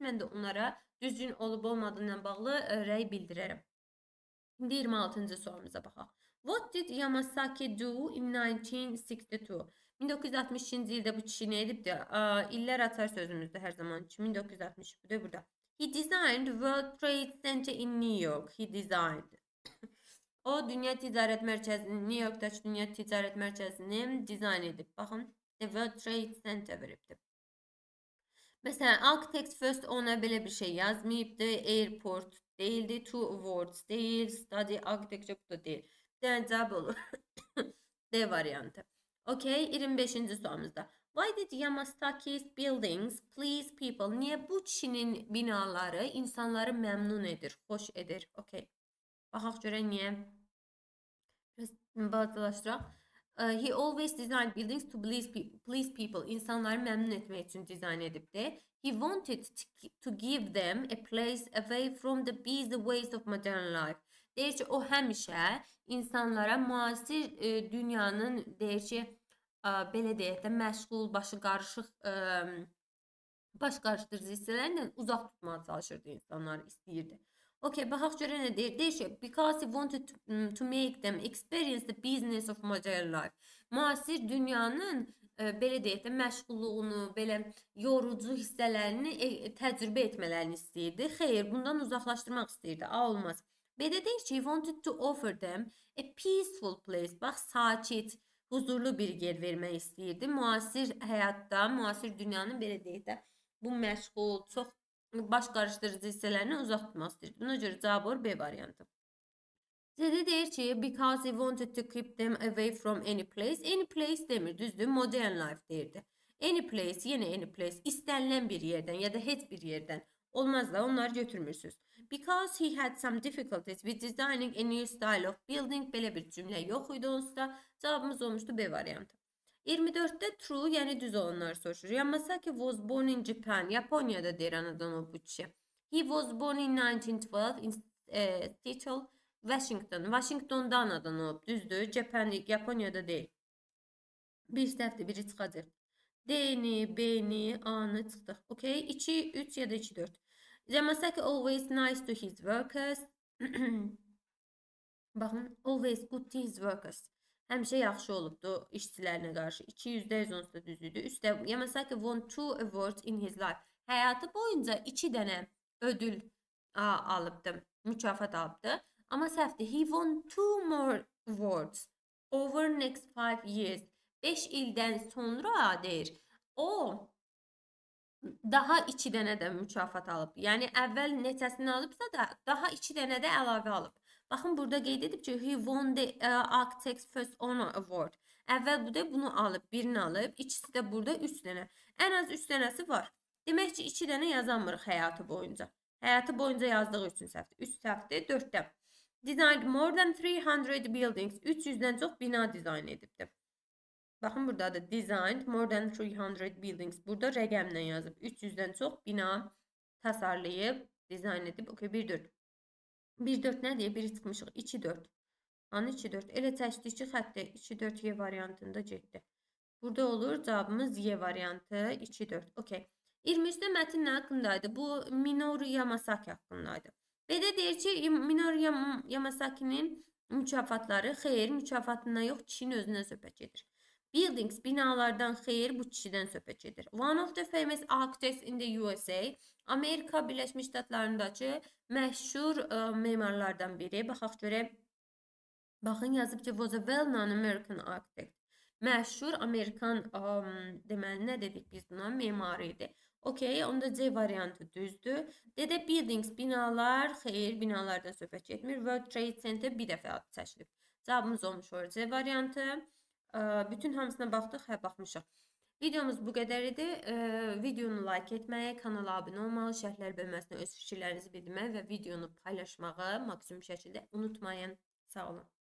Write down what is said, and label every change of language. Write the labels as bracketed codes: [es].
[az] Mən də onlara düzgün olub olmadığına bağlı rəy bildirərəm. 26-cı sualımıza baxaq. [en] What did Yamasaki do in 1962? [az] 1962-ci ildə bu kişi nə edibdir? İllər açar sözümüzdə hər zaman ki, 1962-də burada. [en] He designed World Trade Center in New York. He designed. [az] O, Dünya Ticaret Mərkəzini, New York'daki Dünya Ticaret Mərkəzini dizayn edib. Baxın, The World Trade Center veribdir. Məsələn, Architect First ona belə bir şey yazmayıbdır. Airport deyildi, [en] two words [az] deyil, [en] study architecture [az] bu da deyil. Cavab olur. D variantı. Okay, 25-ci sualımızda. [en] Why did Yamasaki's buildings please people? [az] Niyə bu kişinin binaları insanları məmnun edir, xoş edir? Okay. Baxaq görək niyə? Bazılaşdıraq. [en] He always designed buildings to please people. [az] İnsanları məmnun etmək üçün dizayn edibdi. [en] He wanted to give them a place away from the busy ways of modern life. [az] Deyir ki, o həmişə insanlara müasir dünyanın, deyir ki, belə deyək də, məşğul, başı qarışıq, baş qarışdırıcı hissələrindən uzaq tutmağa çalışırdı insanları, istəyirdi. Okay, baxaq görə nə deyir? Deyir ki, [en] because he wanted to make them experience the business of modern life. [az] Müasir dünyanın, belə deyək də, məşğulluğunu, belə yorucu hissələrini təcrübə etmələrini istəyirdi. Xeyr, bundan uzaqlaşdırmaq istəyirdi. A, olmaz. B-də deyir ki, [en] he wanted to offer them a peaceful place. [az] Bax, sakit, huzurlu bir yer vermək istəyirdi. Müasir həyatda, müasir dünyanın, belə deyək də, bu məşğul, çox baş qarışdırıcı hissələrini uzaq tutmaq istəyirdi. Buna görə cavab olur B variantı. C-də deyir ki, [en] because he wanted to keep them away from any place. [az] Any place demir, düzdür, modern life deyirdi. Any place, yenə any place, istənilən bir yerdən ya da heç bir yerdən. Olmaz da, onları götürmürsünüz. [en] Because he had some difficulties with designing a new style of building. [az] Belə bir cümlə yox idi onsuda. Cavabımız olmuşdu B variantı. 24-də true, yəni düz olanları soruşur. [en] Yamasaki was born in Japan. [az] Yaponiyada deyir anadan o bu kişi. [en] He was born in 1912 in Seattle, Washington. [az] Washington'da anadan olub, düzdür. Japan, Yaponiyada deyil. Bir səhvdir, biri çıxacaq. D-ni, B-ni, A-ni çıxdıq. Okey, 2, 3 ya da 2, 4. [en] Yamasaki always nice to his workers. [az] Baxın, [en] always good to his workers. [az] Həmişə yaxşı olubdu işçilərinə qarşı. 200% onsuz da düzüydü. [en] Üstə, Yamasaki won 2 awards in his life. [az] Həyatı boyunca 2 dənə ödül alıbdı, mükafat alıbdı. Amma səhvdir, [en] he won 2 more awards over next 5 years. [az] 5 ildən sonra deyir, o daha 2 dənə də mükafat alıb. Yəni, əvvəl neçəsini alıbsa da, daha 2 dənə də əlavə alıb. Baxın, burada qeyd edib ki, [en] he won the Architect's First Honor Award. [az] Əvvəl bu da bunu alıb, birini alıb, ikisi də burada 3 dənə. Ən az 3 dənəsi var. Demək ki, 2 dənə yazamırıq həyatı boyunca. Həyatı boyunca yazdığı üçün səhvdir. 3 səhvdir, 4 dəm. [en] Designed more than 300 buildings. [az] 300-dən çox bina dizayn edibdir. Baxın, burada da [en] designed more than 300 buildings. [az] Burada rəqəmlə yazıb. 300-dən çox bina tasarlayıb, dizayn edib. Okey, 1-4. 1-4 nədir? 1-i çıxmışıq. 2-4. Anı 2-4. Elə çəkdik ki, xəttə 2-4 Y variantında getdi. Burada olur cavabımız Y variantı 2-4. Okey. 23-də mətin nə haqqındaydı? Bu Minoru Yamasaki haqqındaydı. Belə deyir ki, Minoru Yamasaki'nin mükafatları xeyir, mükafatından yox, kişinin özündən söhbət gedir. Buildings, binalardan xeyir bu kişidən söhbət gedir. [en] One of the famous architects in the USA, [az] Amerika Birləşmiş Ştatlarındakı məşhur memarlardan biri. Baxaq görə, baxın yazıb ki, [en] was a well-known American architect. [az] Məşhur Amerikan, deməli nə dedik biz buna, memar idi. Okey, onda C variantı düzdür. Dedə buildings, binalar, xeyir, binalardan söhbət gedmir. World Trade Center bir dəfə adı çəkilib. Cavabımız olmuş orada C variantı. Bütün hamısına baxdıq, hə baxmışıq. Videomuz bu qədər idi. Videonu like etməyi, kanala abunə olmağı, şərhlər bölməsində öz fikirlərinizi bildirməyi və videonu paylaşmağı maksimum şəkildə unutmayın. Sağ olun.